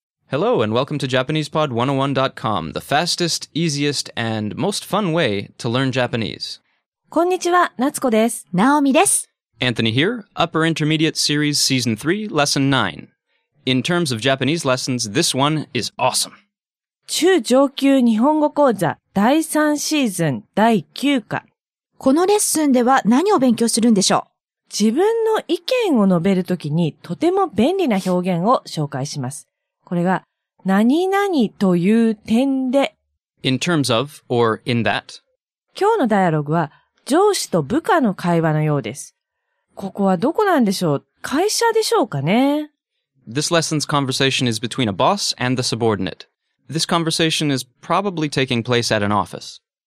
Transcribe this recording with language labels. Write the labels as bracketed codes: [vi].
[en] Hello and welcome to JapanesePod101.com, the fastest, easiest, and most fun way to learn Japanese. [ja] こんにちは、夏子です。ナオミです。 [en] Anthony here, Upper Intermediate Series Season 3, Lesson 9. In terms of Japanese lessons, this one is awesome. [ja] 中上級日本語講座第3シーズン第9課。このレッスンでは何を勉強するんでしょう？自分の意見を述べるときにとても便利な表現を紹介します。これが何々という点で [en] in terms of or in that. [ja] 今日のダイアログは上司と部下の会話のようです。ここはどこなんでしょう？会社でしょうかね？ [en] This lesson's conversation is between a boss and the subordinate. This conversation is probably taking place at an office.